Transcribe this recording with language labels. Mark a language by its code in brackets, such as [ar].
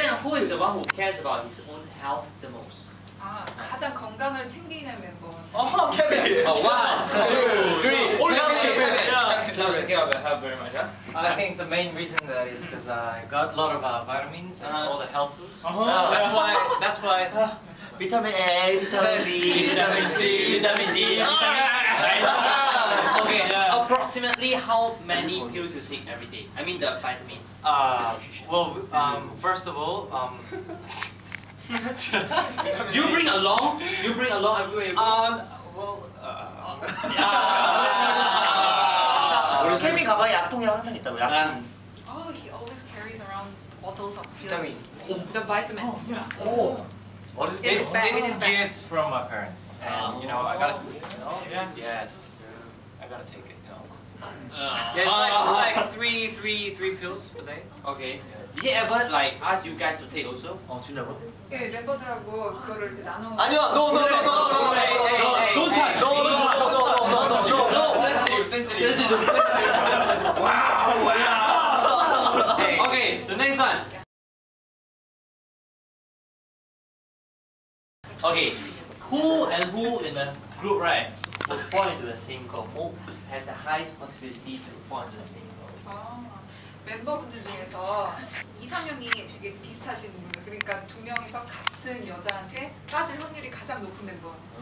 [en] Then who is the one who cares about his own health the most? [ko] 가장 건강을 챙기는 멤버. [en] Kevin. One, two, three. Only Kevin. Yeah. Thank you so much. Yeah, very much. I think the main reason that is because I got a lot of vitamins and all the health foods. That's why. Vitamin A, vitamin B, vitamin C, vitamin D. Approximately how many pills you take every day? I mean the vitamins. First of all, Do you bring along? You bring along everywhere you go? Well, yeah. [ko] 케미 가방에 약통이 항상 있다고요. 약통. [en] Oh, he always carries around bottles of pills. Vitamin. The vitamins. Oh, yeah. Oh. What is this? It's a gift from my parents. And you know, I got to yes. Yeah. I got to take it, you know. It's like three pills per day. Okay. Yes. Did he ever like ask you guys to take also? Oh, [ko] 진짜로? 예, 멤버들하고 그거를 나눠. 아니요. [en] No. Don't touch. No. Sensitive. Wow. Okay, the next one. Okay, who and who in the group, right, will fall into the same group? Who has the highest possibility to fall into the same group? [ko] 멤버분들 중에서 이상형이 되게 비슷하신 분들, 그러니까 두 명이서 같은 여자한테 빠질 확률이 가장 높은 멤버.